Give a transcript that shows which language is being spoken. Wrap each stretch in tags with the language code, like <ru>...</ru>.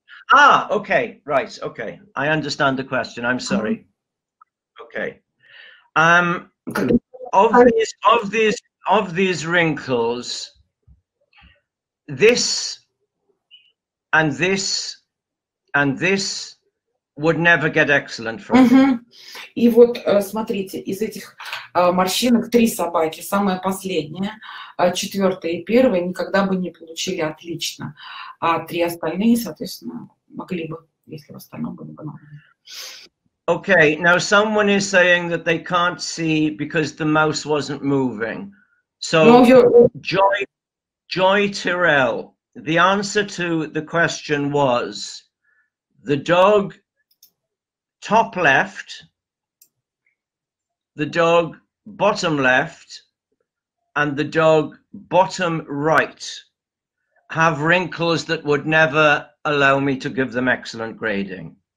<en>Ah, okay, right, okay. I understand the question, I'm sorry. Mm-hmm. Okay. Of these wrinkles, this and this and this would never get excellent from him.</en> <ru>И вот смотрите, из этих морщинок три собаки, самая последняя, четвертая и первая, никогда бы не получили отлично. А три остальные, соответственно, могли бы, если в остальном было бы нормально.</ru> <en>Okay, now someone is saying that they can't see because the mouse wasn't moving. So, Joy Tyrell, the answer to the question was the dog top left, the dog bottom left, and the dog bottom right have wrinkles that would never allow me to give them excellent grading.</en>